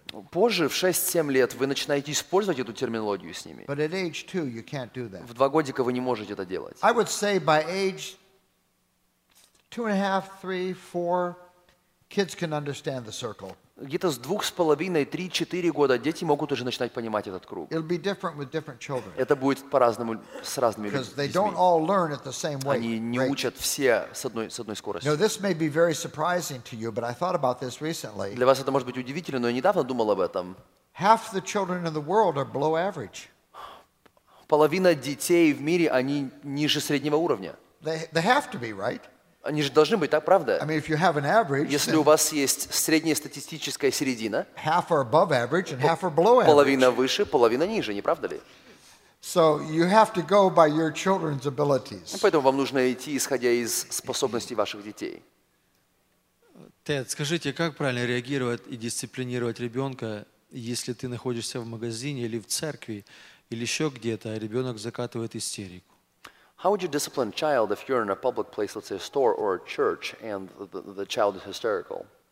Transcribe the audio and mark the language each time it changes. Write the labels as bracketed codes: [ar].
[ru] Позже, в 6-7 лет, вы начинаете использовать эту терминологию с ними. [en] Two, [ru] в 2 годика вы не можете это делать. [en] I would say by age 2.5, 3, 4, kids can understand the circle. [ru] Где-то с 2.5, 3, 4 года дети могут уже начинать понимать этот круг. [en] It'll be different with different children. [ru] Это будет по-разному с разными людьми. [en] They don't all learn at the same way. [ru] Они не учат все с одной скоростью. [en] Now this may be very surprising to you, but I thought about this recently. [ru] Для вас это может быть удивительно, но я недавно думал об этом. [en] Half the children in the world are below average. [ru] Половина детей в мире они ниже среднего уровня. [en] They have to be, right? [ru] Они же должны быть, так, правда? [en] I mean, if you have an average, [ru] если у вас есть средняя статистическая середина, [en] half are above average and half are below average. [ru] Половина выше, половина ниже, не правда ли? [en] So you have to go by your children's abilities. [ru] Поэтому вам нужно идти, исходя из способностей ваших детей. Тед, скажите, как правильно реагировать и дисциплинировать ребенка, если ты находишься в магазине или в церкви, или еще где-то, а ребенок закатывает истерику? [en] How would you discipline a child if you're in a public place, let's say a store or a church, and the child is hysterical?